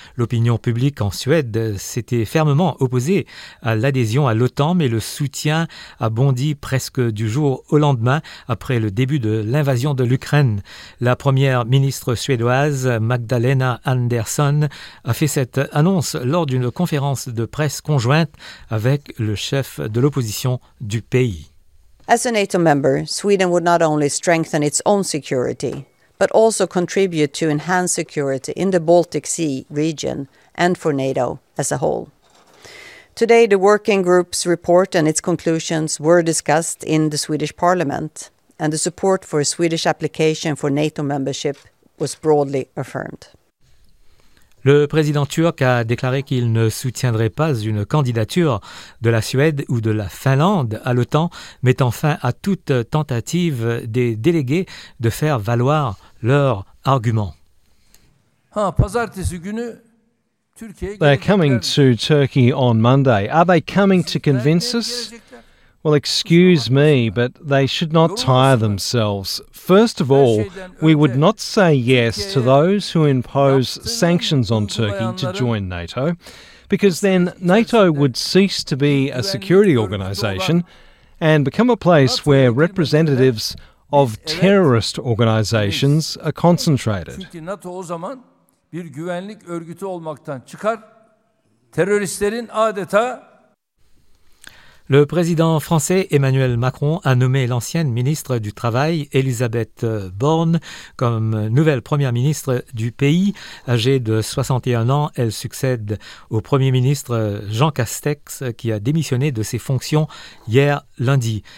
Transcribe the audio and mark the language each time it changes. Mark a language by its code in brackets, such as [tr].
[fr] L'opinion publique en Suède s'était fermement opposée à l'adhésion à l'OTAN, mais le soutien a bondi presque du jour au lendemain après le début de l'invasion de l'Ukraine. La première ministre suédoise, Magdalena Andersson, a fait cette annonce lors d'une conférence de presse conjointe avec le chef de l'opposition du pays. [en] As a NATO member, Sweden would not only strengthen its own security, but also contribute to enhanced security in the Baltic Sea region and for NATO as a whole. Today, the working group's report and its conclusions were discussed in the Swedish Parliament, and the support for a Swedish application for NATO membership was broadly affirmed. [fr] Le président turc a déclaré qu'il ne soutiendrait pas une candidature de la Suède ou de la Finlande à l'OTAN, mettant fin à toute tentative des délégués de faire valoir leurs arguments. [en] They're coming to Turkey on Monday. Are they coming to convince us? Well, excuse me, but they should not tire themselves. First of all, we would not say yes to those who impose sanctions on Turkey to join NATO, because then NATO would cease to be a security organization and become a place where representatives of terrorist organizations are concentrated. [tr] Çünkü NATO o zaman bir güvenlik örgütü olmaktan çıkar, teröristlerin adeta. [fr] Le président français Emmanuel Macron a nommé l'ancienne ministre du Travail, Elisabeth Borne, comme nouvelle première ministre du pays. Âgée de 61 ans, elle succède au premier ministre Jean Castex, qui a démissionné de ses fonctions hier lundi.